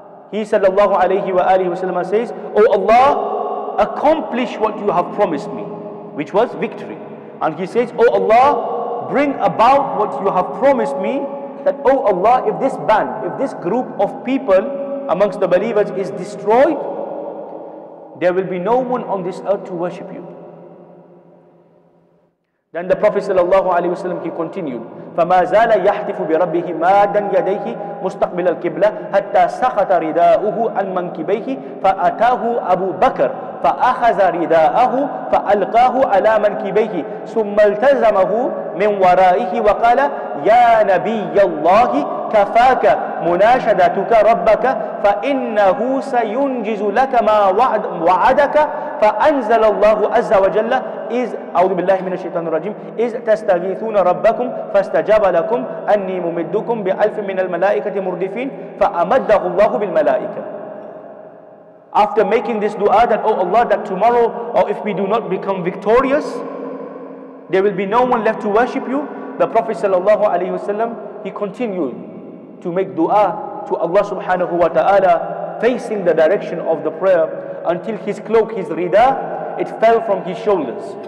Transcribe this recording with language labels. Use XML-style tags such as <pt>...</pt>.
<en>He sallallahu alayhi wa alihi wa sallam says, O Allah, accomplish what you have promised me, which was victory. And he says, O Allah, bring about what you have promised me, that O Allah, if this band, if this group of people amongst the believers is destroyed, there will be no one on this earth to worship you. Then the Prophet sallallahu alaihi wasallam, he continued,</en> <ar>فَمَا زَالَ يَحْتِفُ بِرَبِّهِ مَادًا يَدَيْهِ مُسْتَقْبِلَ الْقِبْلَةِ حَتَّى سَخَتَ رِدَاؤُهُ عَنْ مَنْكِبَيْهِ فَأَتَاهُ أَبُو بَكَرٍ فَأَخَذَ رِدَاءَهُ فَأَلْقَاهُ عَلَى مَنْكِبَيْهِ ثُمَّ الْتَزَمَهُ مِنْ وَرَائِهِ وَقَالَ يَا نَبِيَّ اللَّهِ كَفَاكَ مُنَاشَدَتُكَ رَبَّكَ فَإِنَّهُ سَيُنْجِزُ لَكَ مَا وَعَدَكَ فَأَنزَلَ اللَّهُ عَزَّ وَجَلَّ إِذْ أَعُوذُ بِاللَّهِ مِنَ الشَّيْطَانِ الرَّجِيمِ إِذْ تَسْتَغِيثُونَ رَبَّكُمْ فَاسْتَجَابَ لَكُمْ أَنِّي مُمِدُّكُمْ بِأَلْفٍ مِنَ الْمَلَائِكَةِ مُرْدِفِينَ فَأَمَدَّهُ اللَّهُ بِالْمَلَائِكَةِ.</ar> <en>After making this dua that, O Allah, that tomorrow, or if we do not become victorious, there will be no one left to worship you, the Prophet sallallahu alaihi wasallam, he continued to make dua to Allah subhanahu wa ta'ala, facing the direction of the prayer, until his cloak, his rida, it fell from his shoulders.</en>